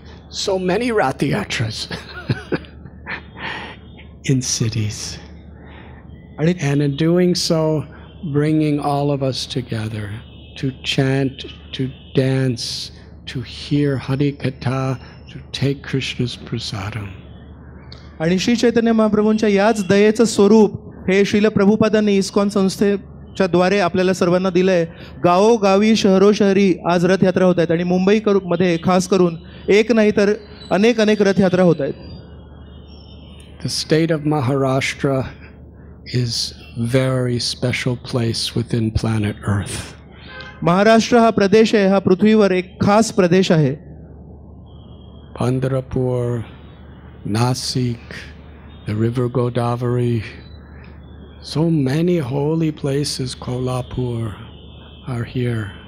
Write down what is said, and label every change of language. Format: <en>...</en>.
<en>So many Rath Yatras in cities, and in doing so bringing all of us together to chant, to dance, to hear Hari Katha, to take Krishna's prasadam.</en> <mr>आणि श्री चैतन्य महाप्रभूंच्या याच दयेचं स्वरूप हे Srila प्रभुपादांनी ISKCON संस्थेच्या द्वारे आपल्याला सर्वांना दिलंय. गावोगावी शहरोशहरी आज रथयात्रा होत आहेत आणि मुंबई मध्ये खास करून एक नाही तर अनेक अनेक रथयात्रा होत आहेत.</mr> <en>The state of Maharashtra is very special place within planet Earth.</en> <mr>Maharashtra हा प्रदेश आहे, हा पृथ्वीवर एक खास प्रदेश आहे.</mr> <en>Pandharpur, Nashik, the river Godavari, so many holy places, Kolhapur are here.</en>